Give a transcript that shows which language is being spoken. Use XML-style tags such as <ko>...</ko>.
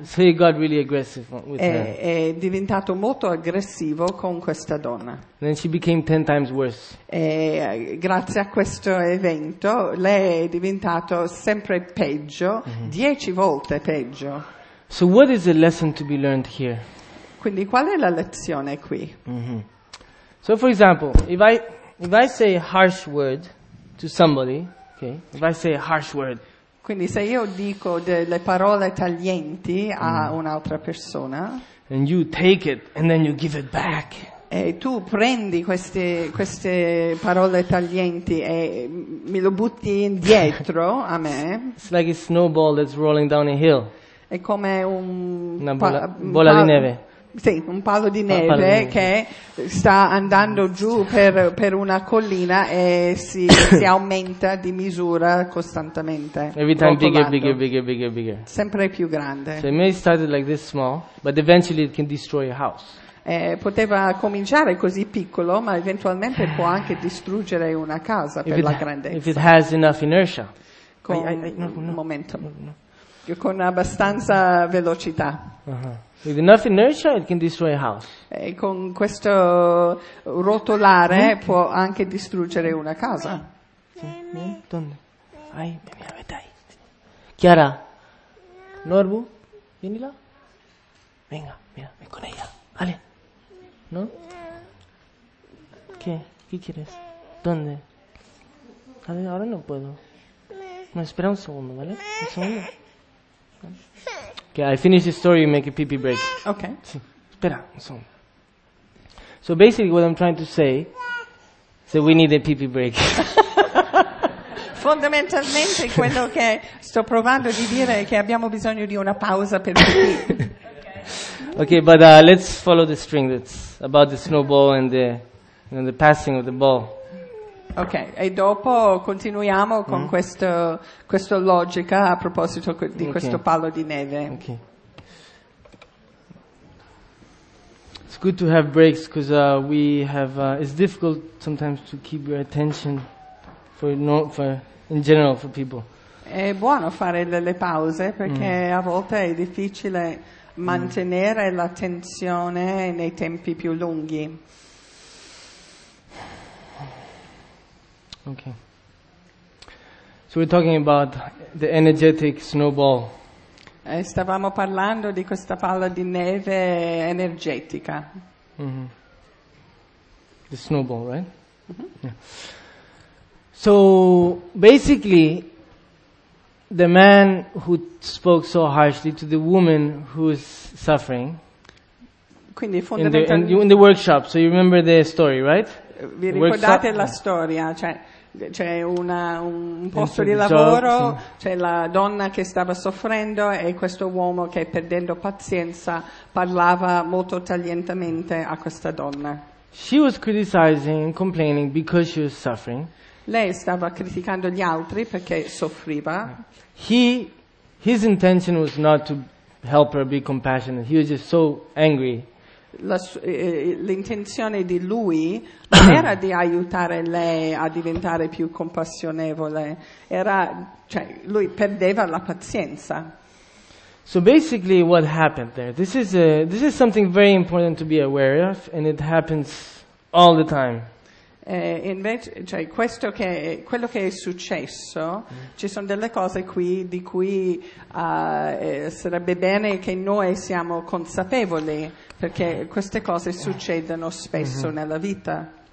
<en>So he got really aggressive with her.</en> <it>È diventato molto aggressivo con questa donna.</it> <en>And then she became 10 times worse.</en> <it>E grazie a questo evento lei è diventato sempre peggio, 10 volte peggio.</it> <en>So what is the lesson to be learned here?</en> <it>Quindi qual è la lezione qui?</it> <en>Mm-hmm. So for example, if I say a harsh word to somebody, okay? If I say a harsh word.</en> <it>Quindi se io dico delle parole taglienti a un'altra persona.</it> <en>And you take it and then you give it back.</en> <it>E tu prendi queste parole taglienti e me lo butti indietro a me.</it> <en>It's like a snowball that's rolling down a hill.</en> <it>È come un una bola di neve. Sì, un palo di neve che sta andando giù per una collina e si aumenta di misura costantemente.</it> <en>Every time bigger.</en> <it>Sempre più grande.</it> <en>So it may start like this small, but eventually it can destroy a house.</en> <it>Poteva cominciare così piccolo, ma eventualmente può anche distruggere una casa per la grandezza.</it> <en>If it has enough inertia.</en> <it>Con un momento. Con abbastanza velocità. Uh-huh.</it> <en>With enough inertia, it can destroy a house.</en> <it>E con questo rotolare può anche distruggere una casa. Donne. Ai, dai. Chiara.</it> <es>Norbu,</es> <it>vieni là.</it> <es>Venga, mira, ven con ella. Ale. No? Che? Che quieres? Donde? Ale,</es> <it>ora non</it> <es>puedo. No, espera un secondo, vale? Un secondo.</es> <en>Okay, I finish the story, you make a pee-pee break. Okay.</en> <it>Sì. Spera, insomma.</it> <en>So basically what I'm trying to say is that we need a pee-pee break.</en> <it>Fondamentalmente quello che sto provando di dire è che abbiamo bisogno di una pausa per pipì.</it> <en>Okay. Okay, but let's follow the string that's about the snowball and the passing of the ball.</en> <it>Ok, e dopo continuiamo con questa logica a proposito di questo palo di neve.</it> <en>Okay. It's good to have breaks because we have. It's difficult sometimes to keep your attention for in general for people.</en> <it>È buono fare delle pause perché a volte è difficile mantenere l'attenzione nei tempi più lunghi.</it> <en>Okay. So we're talking about the energetic snowball.</en> <it>Stavamo parlando di questa palla di neve energetica.</it> <en>The snowball, right? Yeah. So basically, the man who spoke so harshly to the woman who is suffering.</en> <it>Quindi fondamentalmente.</it> <en>In the workshop. So you remember the story, right?</en> <it>Vi ricordate la storia, cioè. C'è un posto di lavoro, c'è la donna che stava soffrendo e questo uomo che, perdendo pazienza, parlava molto taglientemente a questa donna.</it> <en>She was criticizing and complaining because she was suffering.</en> <it>Lei stava criticando gli altri perché soffriva.</it> <en>His intention was not to help her be compassionate. He was just so angry.</en> <it>L'intenzione di lui non era di aiutare lei a diventare più compassionevole. Lui perdeva la pazienza.</it> <en>So basically what happened there, this is something very important to be aware of, and it happens all the time.</en> <it>Quello che è successo, ci sono delle cose qui di cui sarebbe bene che noi siamo consapevoli, perché queste cose succedono spesso nella vita.</it>